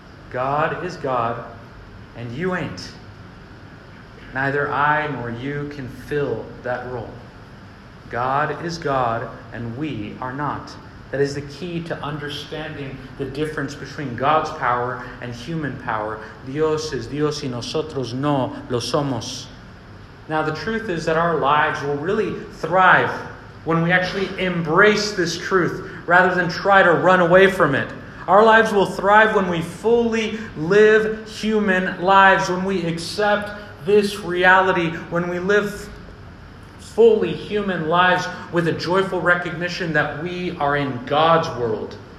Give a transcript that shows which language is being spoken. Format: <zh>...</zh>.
<en>God is God, and you ain't. Neither I nor you can fill that role. God is God, and we are not." That is the key to understanding the difference between God's power and human power.</en> <es>Dios es Dios y nosotros no lo somos.</es> <en>Now, the truth is that our lives will really thrive when we actually embrace this truth rather than try to run away from it. Our lives will thrive when we fully live human lives, when we accept this reality, when we live fully human lives with a joyful recognition that we are in God's world.</en>